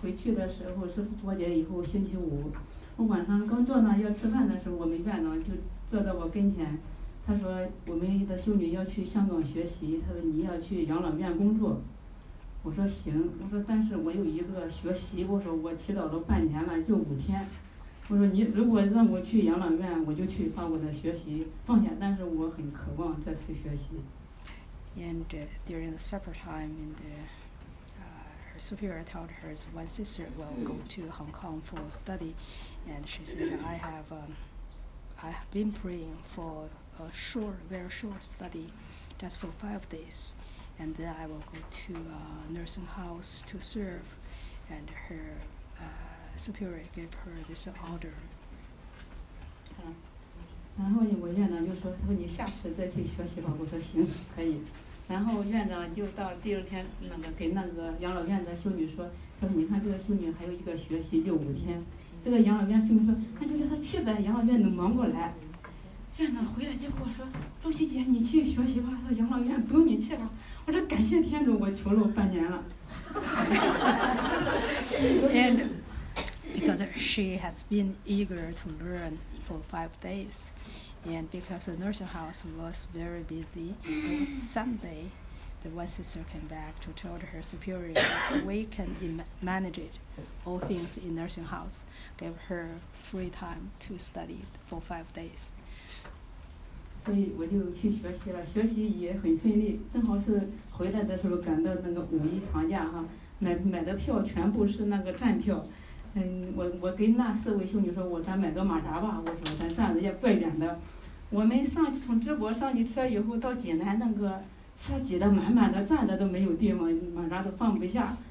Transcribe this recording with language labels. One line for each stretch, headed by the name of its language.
Chinese: 回去的时候是复活节以后星期五，我晚上刚坐那要吃饭的时候，我们院长就坐在我跟前，他说我们的修女要去香港学习，他说你要去养老院工作，我说行，我说但是我有一个学习，我说我祈祷了半年了，就五天。我说你如果让我去养老院，我就去把我的学习放下。但是我很渴望再次学习。
English: And during the supper time, and her superior told her one sister will go to Hong Kong for study, and she said, I have been praying for a short, very short study, just for 5 days, and then I will go to a nursing house to serve, and her. Superior gave her this order.
Chinese: 然后我院长就说：“他说你下次再去学习吧。” 我说：“行，可以。” 然后院长就到第二天，那个给那个养老院的修女说：“他说你看这个修女还有一个学习就五天。” 这个养老院修女说：“那就让他去呗，养老院能忙过来。” 院长回来就跟我说：“露西姐，你去学习吧。” 他说：“养老院不用你去了。” 我说：“感谢天主，我求了半年了。” 天主。
English: Because she has been eager to learn for 5 days, and because the nursing house was very busy, and someday the one sister came back to tell her superior, we can manage it, all things in nursing house, gave her free time to study for 5 days.
Chinese: 所以我就去学习了，学习也很顺利，正好是回来的时候赶到那个五一长假哈，买的票全部是那个站票。我跟那四位修女说，我咱买个马扎吧。我说咱站着也怪远的。我们上从淄博上去车以后，到济南那个车挤得满满的，站着都没有地方，马扎都放不下。